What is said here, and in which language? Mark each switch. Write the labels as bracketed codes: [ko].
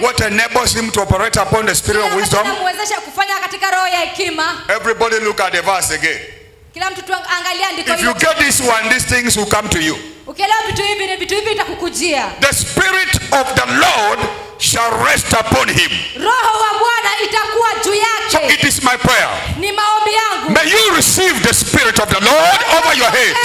[en] What enables him to operate upon the Spirit of wisdom? [sw] Anamwezesha kufanya katika roho ya hekima. [en] Everybody look at the verse again. [sw] Kila mtu tuangalia andiko hili. [en] If you get this one, these things will come to you. [sw] Ukielewa vitu hivi ni vitu hivi vitakukujia. [en] The Spirit of the Lord shall rest upon him. [sw] Roho wa Bwana itakuwa juu yake. [en] So it is my prayer. [sw] Ni maombi yangu. [en] May you receive the Spirit of the Lord over your head.